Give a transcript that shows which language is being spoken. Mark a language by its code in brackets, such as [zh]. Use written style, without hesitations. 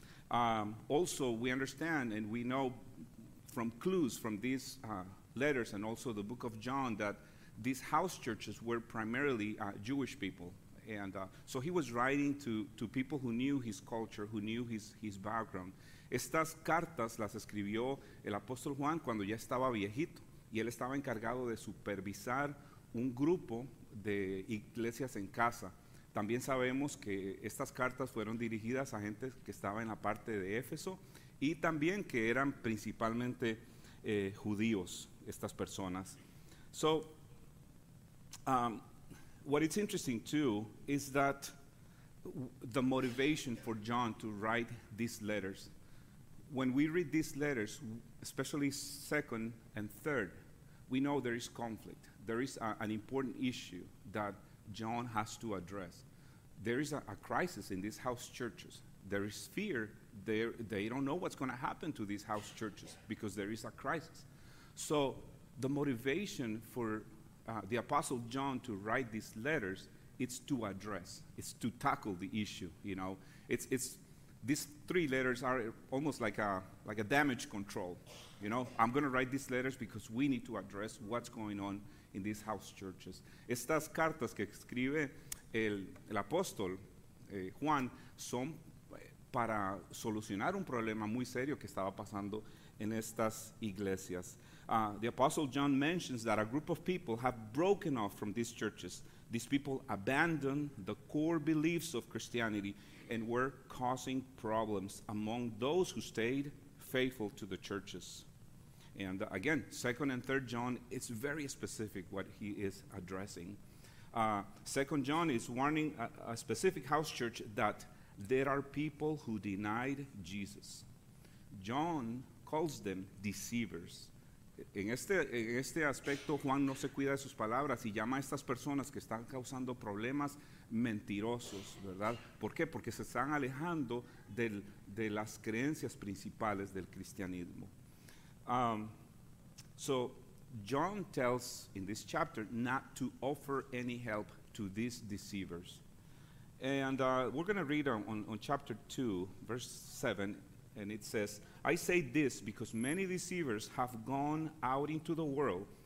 [en] Also, we understand and we know from clues from these letters and also the book of John that these house churches were primarily Jewish people. And so he was writing to people who knew his culture, who knew his background. [es] Estas cartas las escribió el apóstol Juan cuando ya estaba viejito, y él estaba encargado de supervisar un grupo de iglesias en casa. También sabemos que estas cartas fueron dirigidas a gente que estaba en la parte de Éfeso, y también que eran principalmente judíos, estas personas. [en] So, what is interesting too is that the motivation for John to write these letters. When we read these letters, especially second and third, we know there is conflict. There is an important issue that John has to address. There is a crisis in these house churches. There is fear. They don't know what's going to happen to these house churches because there is a crisis. So the motivation for the Apostle John to write these letters, it's to address, it's to tackle the issue, you know. It's these three letters are almost like a damage control, you know. I'm going to write these letters because we need to address what's going on in these house churches. [es] Estas cartas que escribe el apóstol Juan son para solucionar un problema muy serio que estaba pasando en estas iglesias. [en] The Apostle John mentions that a group of people have broken off from these churches. These people abandoned the core beliefs of Christianity and were causing problems among those who stayed faithful to the churches. And again, 2nd and 3rd John, it's very specific what he is addressing. 2nd John is warning a specific house church that there are people who denied Jesus. John calls them deceivers. [es] En este aspecto, Juan no se cuida de sus palabras y llama a estas personas que están causando problemas mentirosos, ¿verdad? ¿Por qué? Porque se están alejando de las creencias principales del cristianismo. [en] So John tells in this chapter not to offer any help to these deceivers. And we're going to read on chapter 2, verse 7. And it says, I say this because many deceivers have gone out into the world.